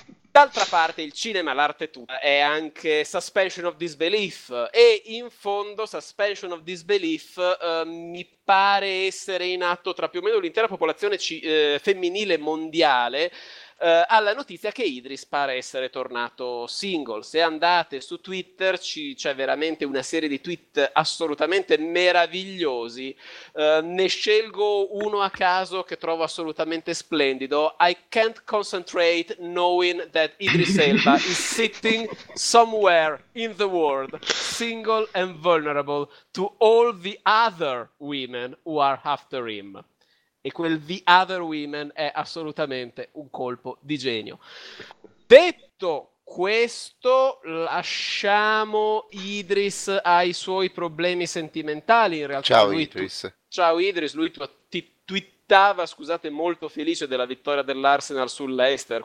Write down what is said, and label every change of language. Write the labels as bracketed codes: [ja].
[it] D'altra parte, il cinema, l'arte tutta, è anche suspension of disbelief, e in fondo suspension of disbelief mi pare essere in atto tra più o meno l'intera popolazione femminile mondiale alla notizia che Idris pare essere tornato single. Se andate su Twitter c'è veramente una serie di tweet assolutamente meravigliosi. Ne scelgo uno a caso che trovo assolutamente splendido. [en] I can't concentrate knowing that Idris Elba is sitting somewhere in the world, single and vulnerable to all the other women who are after him. [it] E quel [en] The Other Women [it] è assolutamente un colpo di genio. Detto questo, lasciamo Idris ai suoi problemi sentimentali. In realtà, Ciao, lui, tu Idris. ciao Idris, lui twittava, scusate, molto felice della vittoria dell'Arsenal sul Leicester.